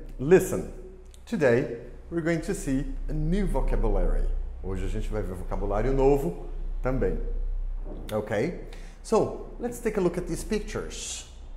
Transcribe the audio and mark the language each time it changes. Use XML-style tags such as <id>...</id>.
<en>Listen, today we're going to see a new vocabulary.</en> <pt>Hoje a gente vai ver vocabulário novo também.</pt> <en>Okay, so let's take a look at these pictures.</en>